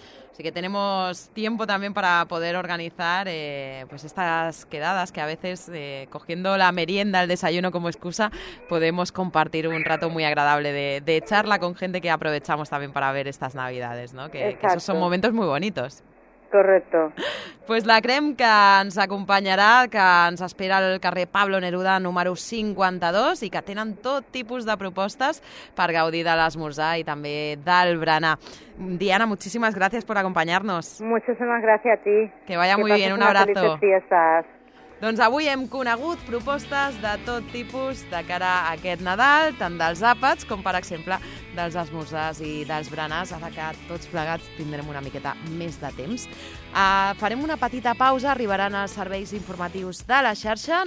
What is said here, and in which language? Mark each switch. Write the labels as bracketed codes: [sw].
[es] Así que tenemos tiempo también para poder organizar pues estas quedadas que a veces, cogiendo la merienda, el desayuno como excusa, podemos compartir un rato muy agradable de charla con gente que aprovechamos también para ver estas Navidades, ¿no? Que esos son momentos muy bonitos. Correcto. [ca] Pues la Crem, que ens acompanyarà, que ens espera al carrer Pablo Neruda, número 52, i que tenen tot tipus de propostes per gaudir de l'esmorzar i també del berenar. Diana, moltíssimes gràcies per acompanyar-nos. Moltíssimes gràcies [es] a ti. Que vaya muy bien, un abrazo. [ca] Que passis una feliç fiestas. Doncs avui hem conegut propostes de tot tipus de cara a aquest Nadal, tant dels àpats com, per exemple, dels esmorzars i dels berenars, ara que tots plegats tindrem una miqueta més de temps. Farem una petita pausa, arribaran els serveis informatius de la xarxa.